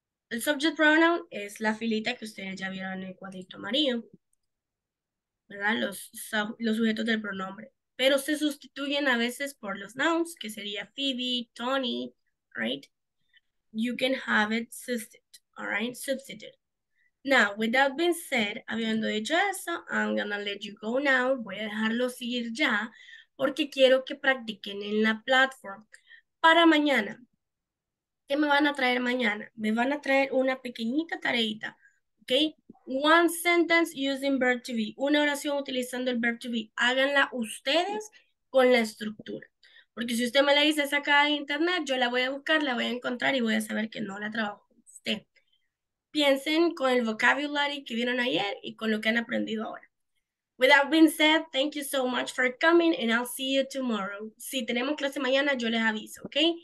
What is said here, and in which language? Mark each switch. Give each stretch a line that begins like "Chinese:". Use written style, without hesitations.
Spanish: El subject pronoun es la filita que ustedes ya vieron en el cuadrito amarillo, ¿verdad? Los sujetos del pronombre. Pero se sustituyen a veces por los nouns, que sería Phoebe, Tony, right?
English: You can have it substituted, all right? Substituted. Now, with that being said,
Spanish: habiendo dicho eso,
English: I'm gonna let you go now.
Spanish: Voy a dejarlos ir ya, porque quiero que practiquen en la plataforma para mañana. ¿Qué me van a traer mañana? Me van a traer una pequeñita tareita, ¿ok?
English: One sentence using verb to be.
Spanish: Una oración utilizando el verb to be. Háganla ustedes con la estructura. Porque si usted me la dice saca de internet, yo la voy a buscar, la voy a encontrar y voy a saber que no la trabajo con usted. Piensen con el vocabulary que vieron ayer y con lo que han aprendido ahora.
English: With that being said, thank you so much for coming and I'll see you tomorrow.
Spanish: Si tenemos clase mañana, yo les aviso, ¿ok?